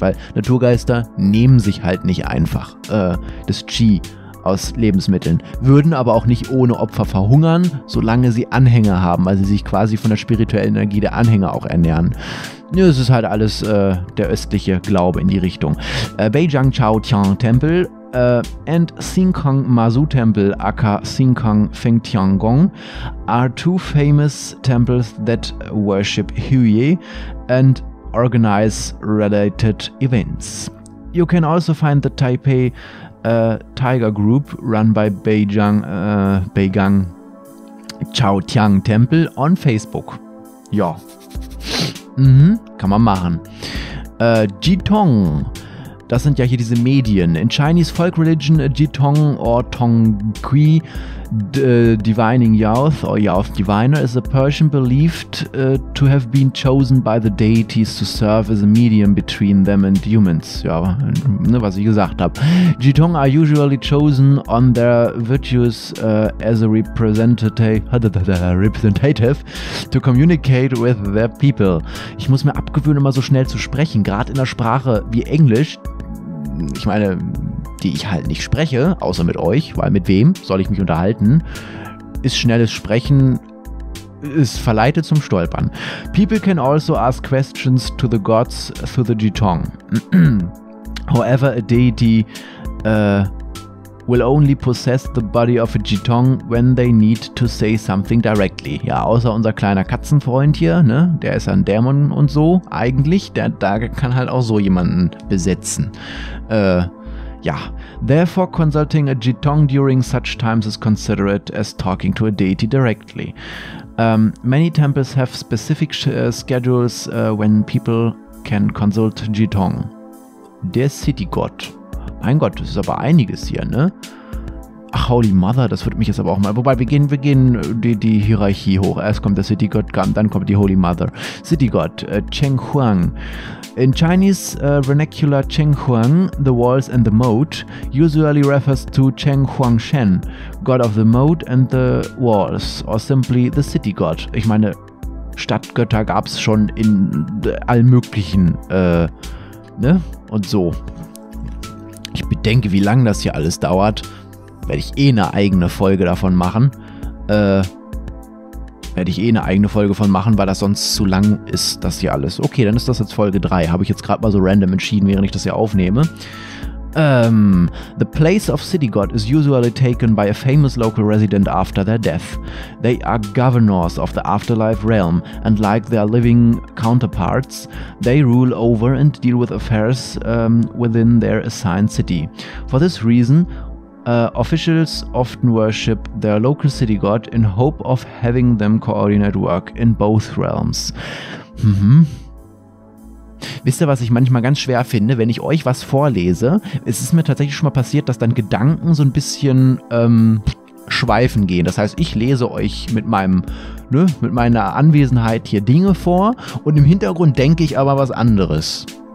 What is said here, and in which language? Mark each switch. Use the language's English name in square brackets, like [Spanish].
[German] Weil Naturgeister nehmen sich halt nicht einfach das Chi aus Lebensmitteln, würden aber auch nicht ohne Opfer verhungern, solange sie Anhänger haben, weil sie sich quasi von der spirituellen Energie der Anhänger auch ernähren. Ja, es ist halt alles der östliche Glaube in die Richtung. [English] Beijing Chao Tian Tempel and Xingkang Mazu Temple aka Xingkang Feng Tian Gong are two famous temples that worship Huye and organize related events. You can also find the Taipei Tiger Group run by Beijing Chao Tian Temple on Facebook. [German] Ja. Mhm, kann man machen. Jitong, das sind ja hier diese Medien. [English] In Chinese Folk Religion, Jitong or Tongqi, Divining Youth or Youth Diviner, is a Persian believed to have been chosen by the deities to serve as a medium between them and humans. [German] Ja, ne, was ich gesagt habe. [English] Jitong are usually chosen on their virtues as a representative to communicate with their people. [German] Ich muss mir abgewöhnen, immer so schnell zu sprechen, gerade in einer Sprache wie Englisch. Ich meine, die ich halt nicht spreche, außer mit euch, weil mit wem soll ich mich unterhalten, ist schnelles Sprechen, ist verleitet zum Stolpern. [English] People can also ask questions to the gods through the Jitong. However, a deity will only possess the body of a Jitong when they need to say something directly. [German] Ja, außer unser kleiner Katzenfreund hier, ne, der ist ein Dämon und so, eigentlich, der kann halt auch so jemanden besetzen. [English] Ja, therefore consulting a Jitong during such times is considered as talking to a deity directly. Many temples have specific schedules when people can consult Jitong. [German] Der City God. Mein Gott, das ist aber einiges hier, ne? Ach, holy mother, das würde mich jetzt aber auch mal... Wobei, wir gehen die Hierarchie hoch. Erst kommt der City God, dann kommt die Holy Mother. [English] City God, Cheng Huang. In Chinese vernacular, Cheng Huang, the walls and the moat, usually refers to Cheng Huang Shen, God of the moat and the walls, or simply the City God. [German] Ich meine, Stadtgötter gab es schon in allen möglichen, ne? Und so. Ich bedenke, wie lange das hier alles dauert. Werde ich eh eine eigene Folge davon machen. Weil das sonst zu lang ist, das hier alles. Okay, dann ist das jetzt Folge 3. Habe ich jetzt gerade mal so random entschieden, während ich das hier aufnehme. [English] The place of City God is usually taken by a famous local resident after their death. They are governors of the afterlife realm, and like their living counterparts, they rule over and deal with affairs within their assigned city. For this reason, officials often worship their local city god in hope of having them coordinate work in both realms. Mhm. [German] Wisst ihr, was ich manchmal ganz schwer finde, wenn ich euch was vorlese? Es ist mir tatsächlich schon mal passiert, dass dann Gedanken so ein bisschen schweifen gehen. Das heißt, ich lese euch mit meinem, ne, mit meiner Anwesenheit hier Dinge vor und im Hintergrund denke ich aber was anderes.